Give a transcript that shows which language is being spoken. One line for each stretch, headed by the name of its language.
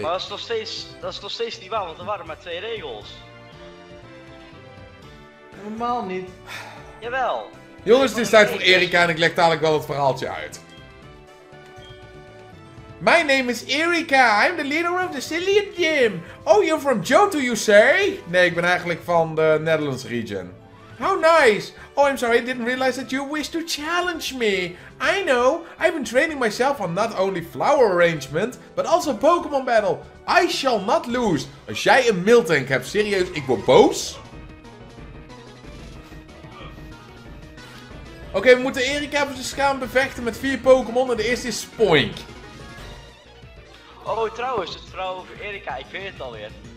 Dutch: Maar dat is nog steeds niet waar, want er waren maar twee regels. Normaal niet. Jawel. Jongens, het is tijd voor Erika en ik leg dadelijk wel het verhaaltje uit.
English: My name is Erika, I'm the leader of the Cillian Gym. Oh, you're from Johto, you say?
Dutch: Nee, ik ben eigenlijk van de
English: Netherlands region. How nice! Oh, I'm sorry, I didn't realize that you wish to challenge me. I know, I've been training myself on not only flower arrangement, but also Pokémon battle. I shall not lose.
Dutch: Als jij een Miltank hebt, serieus, ik word boos? Oké, we moeten Erika voor zijn schaam bevechten met vier Pokémon en de eerste is Spoink. Oh, trouwens, het verhaal over Erika, ik weet het alweer.